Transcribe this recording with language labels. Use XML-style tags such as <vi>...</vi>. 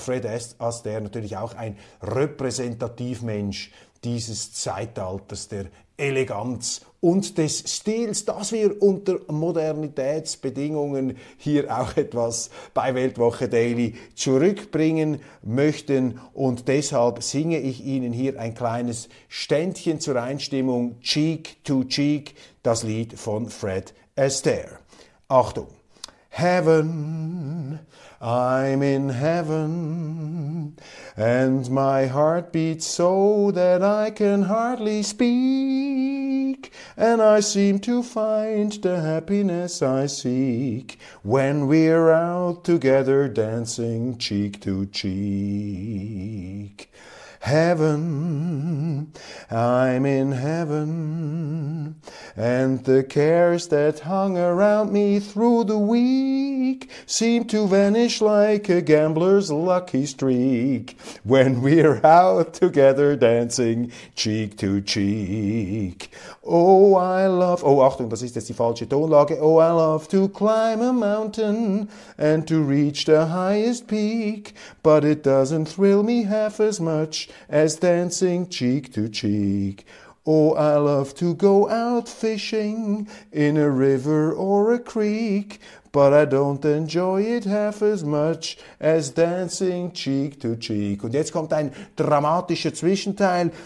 <de>Fred Astaire natürlich auch ein Repräsentativmensch dieses Zeitalters der Eleganz und des Stils, dass wir unter Modernitätsbedingungen hier auch etwas bei Weltwoche Daily zurückbringen möchten. Und deshalb singe ich Ihnen hier ein kleines Ständchen zur Einstimmung, Cheek to Cheek, das Lied von Fred Astaire. Achtung!</de> <en>Heaven, I'm in heaven, and my heart beats so that I can hardly speak, and I seem to find the happiness I seek when we're out together dancing cheek to cheek. Heaven, I'm in heaven, and the cares that hung around me through the week seem to vanish like a gambler's lucky streak when we're out together dancing cheek to cheek. Oh, I love, oh,</en> <de>Achtung, das ist jetzt die falsche Tonlage.</de> <en>Oh, I love to climb a mountain and to reach the highest peak, but it doesn't thrill me half as much as dancing cheek to cheek. Oh, I love to go out fishing in a river or a creek, but I don't enjoy it half as much as dancing cheek to cheek.</en> <de>Und jetzt kommt ein dramatischer Zwischenteil.</de>